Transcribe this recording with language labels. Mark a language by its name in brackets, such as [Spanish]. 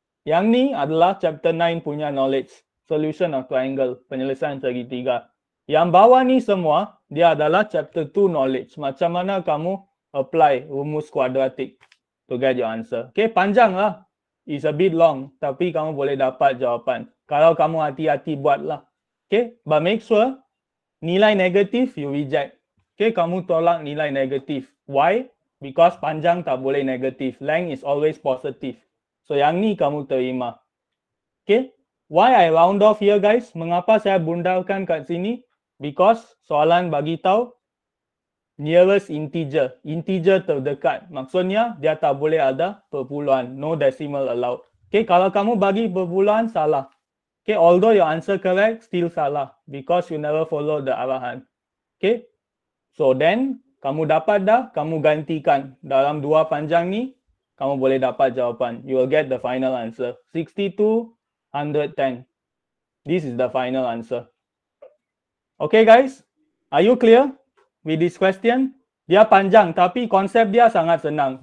[Malay] Yang ni adalah chapter 9 punya knowledge. [English] Solution of triangle, [Malay] penyelesaian segitiga. Yang bawah ni semua, dia adalah chapter 2 knowledge. Macam mana kamu apply rumus quadratic to get your answer. Okay, panjang lah. [English] It's a bit long, [Malay] tapi kamu boleh dapat jawapan. Kalau kamu hati-hati buatlah. [English] Okay, but make sure [Malay] nilai negatif [English] you reject. [Malay] Okay, kamu tolak nilai negatif. Why? Because panjang tak boleh negatif. [English] Length is always positive. So [Malay] yang ni kamu terima. [English] Okay, why I round off here guys? [Malay] Mengapa saya bundarkan kat sini? Because soalan bagi tahu nearest integer. Integer terdekat. Maksudnya dia tak boleh ada perpuluhan. [English] No decimal allowed. [Malay] Okay, kalau kamu bagi perpuluhan salah. [English] Okay, although your answer correct, still salah because you never follow the arahan. [Malay] Okay, so then kamu dapat dah, kamu gantikan dalam dua panjang ni, kamu boleh dapat jawapan. [English] You will get the final answer. 62, 110. This is the final answer. Okay guys, are you clear with this question? [Malay] Dia panjang tapi konsep dia sangat senang.